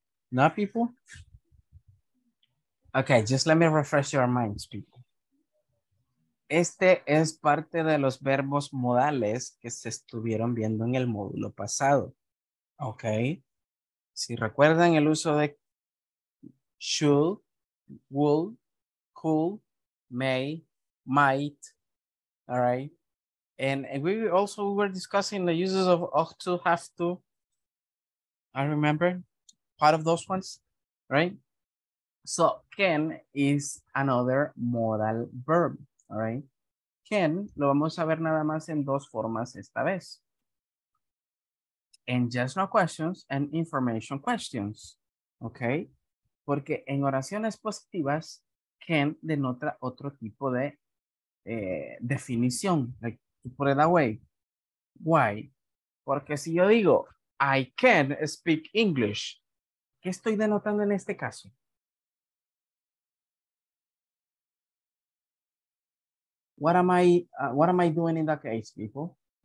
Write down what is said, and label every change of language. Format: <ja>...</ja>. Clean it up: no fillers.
<es>¿No,</es> <en>people? Okay, just let me refresh your minds, people.</en> <es>Este es parte de los verbos modales que se estuvieron viendo en el módulo pasado. Okay. Si recuerdan el uso de should, will, could, may, might,</es> <en>all right. And we also were discussing the uses of ought to, have to. I remember part of those ones, right? So can is another modal verb, all right?</en> <es>Can lo vamos a ver nada más en dos formas esta vez.</es> <en>And just no questions and information questions, okay?</en> <es>Porque en oraciones positivas, can denota otro tipo de definición.</es> <en>Like, to put it away. Why?</en> <es>Porque si yo digo, I can speak English, ¿qué estoy denotando en este caso?</es> <en>What am I doing in that case, people?</en>